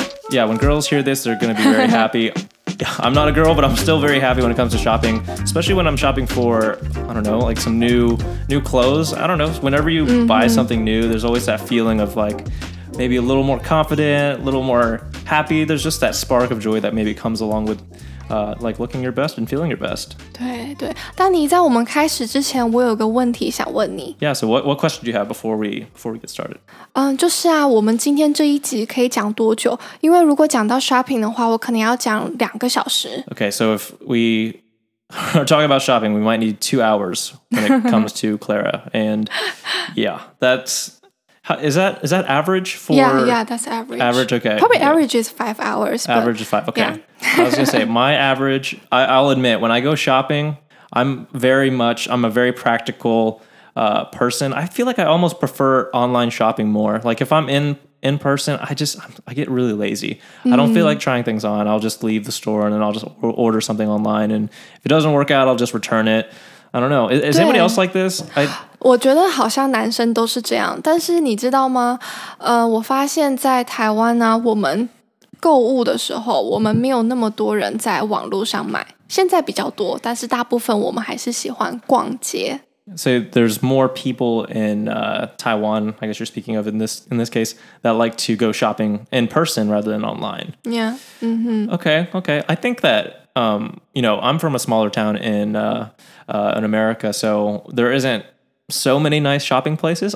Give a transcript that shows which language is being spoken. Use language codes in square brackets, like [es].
[en] Yeah, when girls hear this, they're going to be very happy. I'm not a girl, but I'm still very happy when it comes to shopping, especially when I'm shopping for, I don't know, like some new clothes. I don't know, whenever you buy something new, there's always that feeling of like maybe a little more confident, a little more happy. There's just that spark of joy that maybe comes along withlike looking your best and feeling your best. [zh] 对对，但你在我们开始之前，我有个问题想问你。 [en] Yeah, so what question do you have before we get started? [zh] 就是啊，我们今天这一集可以讲多久？因为如果讲到 shopping 的话，我可能要讲2个小时。 [en] Okay, so if we are talking about shopping, we might need 2 hours when it comes to Clara. And yeah, is that average for... Yeah, that's average. Average, okay. Probably average is 5 hours. Average is 5, okay. Yeah. I was going to say, my average, I'll admit, when I go shopping, I'm a very practical person. I feel like I almost prefer online shopping more. Like if I'm in person, I get really lazy. I don't feel like trying things on. I'll just leave the store and then I'll just order something online. And if it doesn't work out, I'll just return it. I don't know. Is anybody else like this? [zh] 我觉得好像男生都是这样。但是你知道吗？我发现在台湾呢，我们购物的时候，我们没有那么多人在网络上买。现在比较多，但是大部分我们还是喜欢逛街。 [en] So there's more people in Taiwan, I guess you're speaking of in this case, that like to go shopping in person rather than online. Yeah. Mm-hmm. Okay. I think that, you know, I'm from a smaller town in America, so there isn't so many nice shopping places.